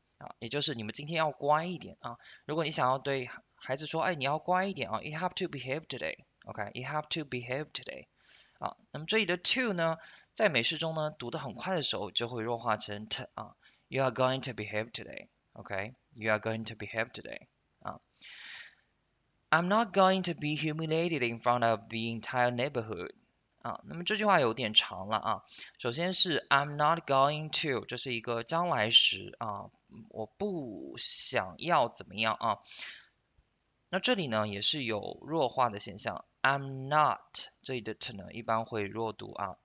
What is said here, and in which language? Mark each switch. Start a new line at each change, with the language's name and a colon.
Chinese: 啊，也就是你们今天要乖一点啊。如果你想要对孩子说，哎，你要乖一点啊 ，
English: You have to behave today. OK, you have to behave today.
Chinese: 啊，那么这里的 to 呢，在美式中呢，读得很快的时候就会弱化成 t 啊。
English: You are going to behave today. OK, you are going to behave today. 啊 ，I'm not going to be humiliated in front of the entire neighborhood.
Chinese: 啊，那么这句话有点长了啊。首先是
English: I'm not going to，
Chinese: 这是一个将来时啊。我不想要怎么样啊？那这里呢也是有弱化的现象。
English: I'm not
Chinese: 这里的 t 呢一般会弱读啊。